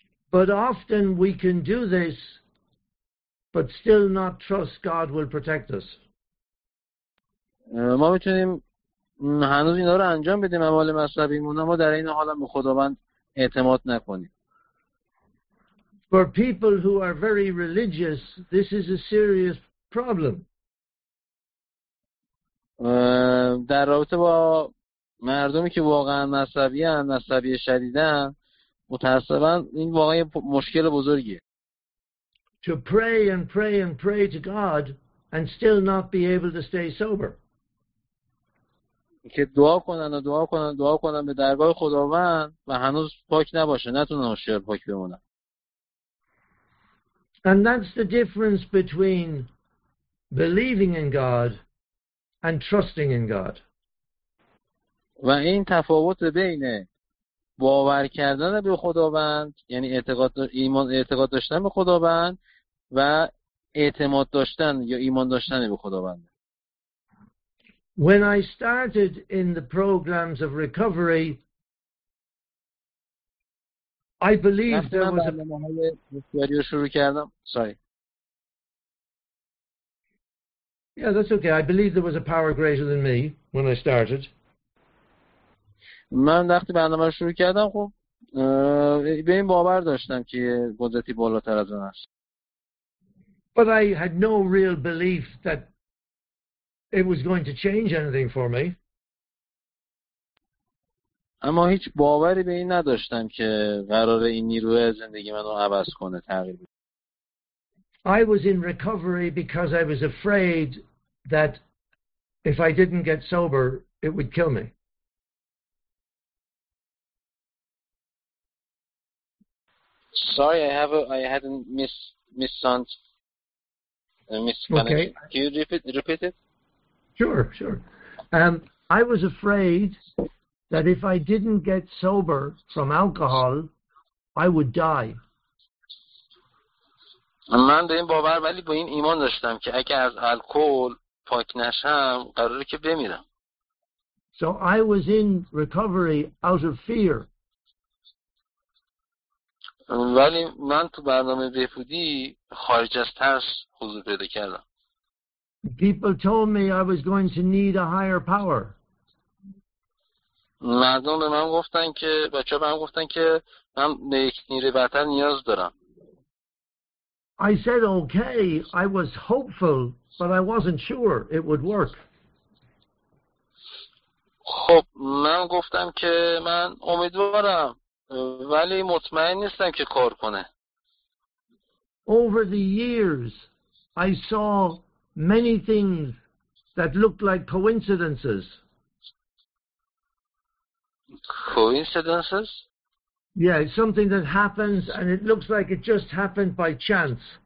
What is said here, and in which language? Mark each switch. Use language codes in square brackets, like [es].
[en] But often we can do this but still not trust God will protect us. [fa] ما میتونیم هنوز اینا رو انجام بدیم اعمال مذهبیمون اما در این حال هم به خداوند اعتماد نکنیم. [en] For people who are very religious, this is a serious problem. [fa] در رابطه با مردمی که واقعا مذهبی شدیدن متأسفانه این واقعا مشکل بزرگیه. [en] To pray and pray and pray to God and still not be able to stay sober. [fa] که دعا کنن و دعا کنن دعا کنن به درگاه خداوند و هنوز پاک نباشه نتونن هوشیار پاک بمونن. [en] And that's the difference between believing in God and trusting in God. [fa] و این تفاوت بین باور کردن به خداوند یعنی اعتقاد داشتن به خداوند و اعتماد داشتن یا ایمان داشتن به خداوند. [en] When I started in the programs of recovery, I believed there was a [fa] مهمه شروع کردم. [en] Sorry. Yeah, that's okay. I believed there was a power greater than me when I started. [fa] من وقتی برنامه رو شروع کردم خب به این باور داشتم که قدرتی بالاتر از من است. [en] But I had no real belief that it was going to change anything for me. [fa] اما هیچ باوری به این نداشتم که قراره این نیروی زندگی منو عوض کنه تغییر بده. [en] I was in recovery because I was afraid that if I didn't get sober, it would kill me. Sorry, I had a misconnection. Okay. Can you repeat it? Sure. I was afraid that if I didn't get sober from alcohol, I would die. [fa] من به این باور ولی با این ایمان داشتم که اگه از الکل پاک نشم قراره که بمیرم. [en] So I was in recovery out of fear. [fa] ولی من تو برنامه بهبودی خارج از ترس حضور پیدا کردم. [en] People told me I was going to need a higher power. [fa] مردم به من گفتن که بچه‌ها به من گفتن که من به یک نیروی برتر نیاز دارم. [en] I said okay, I was hopeful, but I wasn't sure it would work. [fa] خب من گفتم که من امیدوارم ولی مطمئن نیستم که کار کنه. [en] Over the years, I saw many things that looked like coincidences. Coincidences? Yeah, it's something that happens and it looks like it just happened by chance.